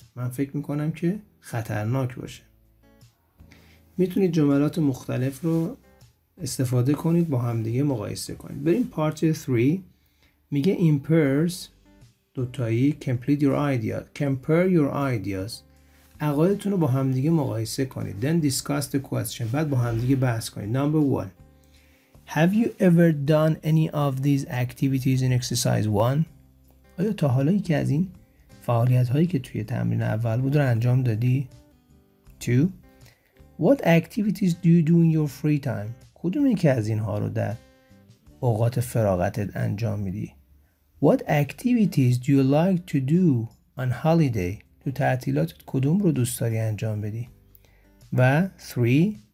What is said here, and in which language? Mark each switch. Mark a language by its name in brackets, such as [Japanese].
[Persian] من فکر میکنم که خطرناک باشه. میتونید جملات مختلف رو استفاده کنید، با هم دیگه مقایسه کنید. بریم پارت 3. میگه [English] in pairs [Persian] دوتایی [English] compare your ideas. [Persian] عقایدتون رو با هم دیگه مقایسه کنید. [English] Then discuss the question. [Persian] بعد با هم دیگه بحث کنید. [English] Number 1. Have you ever done any of these activities in exercise 1? [Persian] آیا تا حالا یکی از این فعالیت هایی که توی تمرین اول بود رو انجام دادی؟ 2. [English] What activities do you do in your free time؟ [Persian] کدوم یکی از اینها رو در اوقات فراغتت انجام میدی؟ [English] What activities do you like to do on holiday؟ [Persian] تو تعطیلاتت کدوم رو دوست داری انجام بدی؟ [English] و 3.